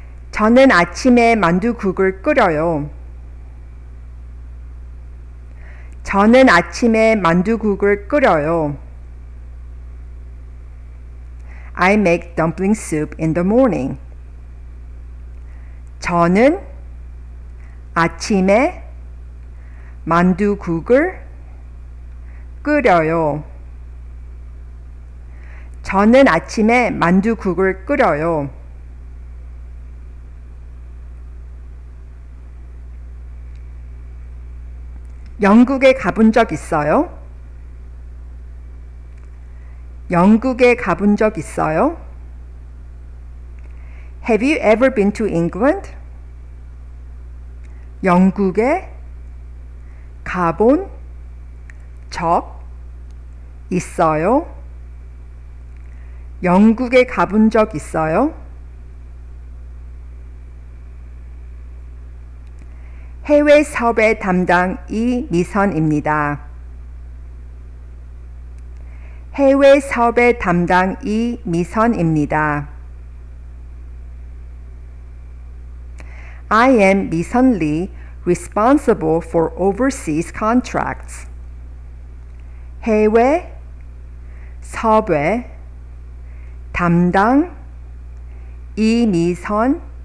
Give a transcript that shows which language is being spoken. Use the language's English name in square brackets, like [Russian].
[Korean] 저는 아침에 만두국을 끓여요. 저는 아침에 만두국을 끓여요. [English] I make dumpling soup in the morning. [Korean] 저는 아침에 만두국을 끓여요. 저는 아침에 만두국을 끓여요. 영국에 가본 적 있어요? 영국에 가본 적 있어요? [English] Have you ever been to England? [Korean] 영국에 가본 적 있어요? 영국에 가본 적 있어요? [English] Have you ever been to England? [Korean] 이미선입니다. 해외 사업의 담당 이미선입니다. [English] I am 미선 Lee, responsible for overseas contracts. [Korean] 해외 사업의 담당 이미선입니다.